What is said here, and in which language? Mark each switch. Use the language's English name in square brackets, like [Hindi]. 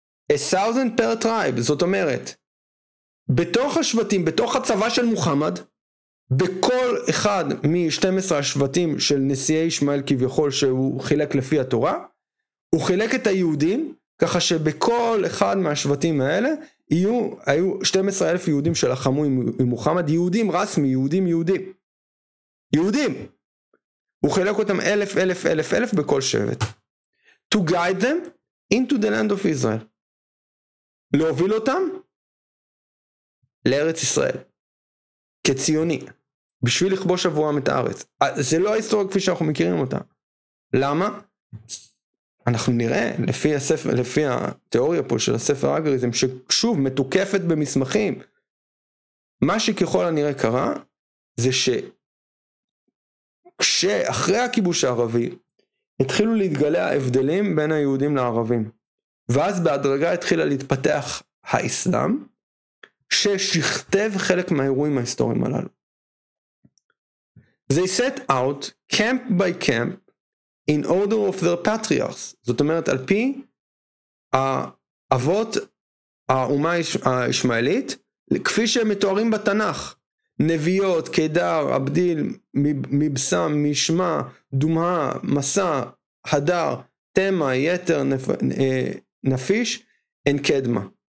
[English] A thousand per tribe, [Hebrew] זאת אומרת, בתוך השבטים, בתוך הצבא של מוחמד, בכל אחד מ-12 השבטים של נשיאי ישמעאל כביכול שהוא חילק לפי התורה, הוא חילק את היהודים, ככה שבכל אחד מהשבטים האלה, היו 12,000 יהודים שלחמו עם מוחמד, יהודים רסמי, יהודים יהודים. יהודים! הוא חילק אותם אלף, אלף, אלף, אלף בכל שבט. [English] To guide them into the land of Israel. [Hebrew] להוביל אותם לארץ ישראל. כציוני. בשביל לכבוש עבורם את הארץ. זה לא ההיסטוריה כפי שאנחנו מכירים אותה. למה? אנחנו נראה, לפי הספר, לפי התיאוריה פה של הספר אגריזם, ששוב מתוקפת במסמכים. מה שככל הנראה קרה, זה ש... כשאחרי הכיבוש הערבי, התחילו להתגלה ההבדלים בין היהודים לערבים. ואז בהדרגה התחילה להתפתח האסלאם, ששכתב חלק מהאירועים ההיסטוריים הללו. [English] They set out camp by camp in order of their patriarchs. [Hebrew] זאת אומרת, על פי האבות האומה הישמעאלית, כפי שהם מתוארים בתנך. נביות, קדר, אבדיל, מבסם, משמע, דומה, מסע, הדר, תמה, יתר, נפיש, אין קדמה.